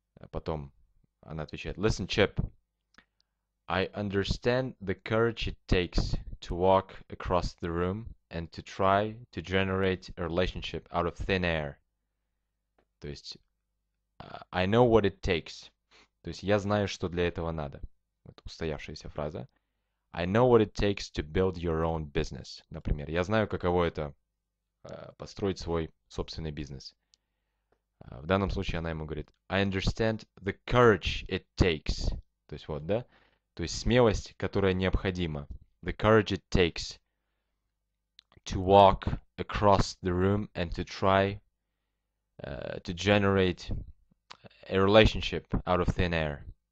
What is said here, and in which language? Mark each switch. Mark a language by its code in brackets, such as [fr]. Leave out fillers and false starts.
[ru] Потом она отвечает, [en] listen, Chip, I understand the courage it takes to walk across the room and to try to generate a relationship out of thin air. [ru] То есть, [en] I know what it takes. [ru] То есть, я знаю, что для этого надо. Вот устоявшаяся фраза. [en] I know what it takes to build your own business. [ru] Например, я знаю, каково это построить свой собственный бизнес. В данном случае она ему говорит, [en] I understand the courage it takes. [ru] То есть, вот, да? То есть, смелость, которая необходима. [en] The courage it takes to walk across the room and to try to generate a relationship out of thin air.